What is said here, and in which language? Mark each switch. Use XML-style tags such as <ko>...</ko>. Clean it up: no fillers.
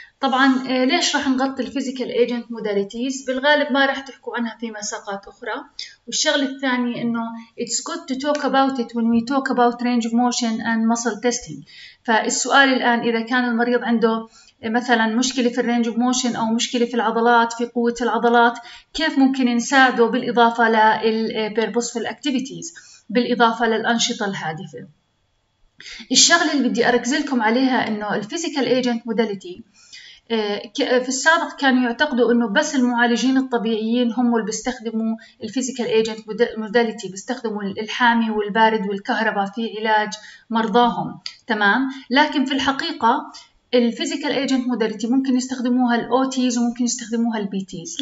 <ar>طبعا ليش راح نغطي الفيزيكال ايجنت موداليتيز؟ بالغالب ما راح تحكوا عنها في مساقات اخرى. والشغل الثاني انه</ar> <en>it's good to talk about it when we talk about range of motion and muscle testing.</en> <ar>فالسؤال الان، اذا كان المريض عنده مثلا مشكلة في الرينج اوف موشن او مشكلة في العضلات في قوة العضلات، كيف ممكن نساعده بالاضافة للبيربوسفل اكتيفيتيز، بالاضافة للانشطة الهادفة. الشغلة اللي بدي اركز لكم عليها انه الفيزيكال ايجنت موداليتي في السابق كانوا يعتقدوا انه بس المعالجين الطبيعيين هم اللي بيستخدموا الفيزيكال ايجنت موداليتي، بيستخدموا الحامي والبارد والكهرباء في علاج مرضاهم، تمام؟ لكن في الحقيقة الفيزيكال ايجنت موداليتي ممكن يستخدموها الاوتيز وممكن يستخدموها البيتيز.</ar>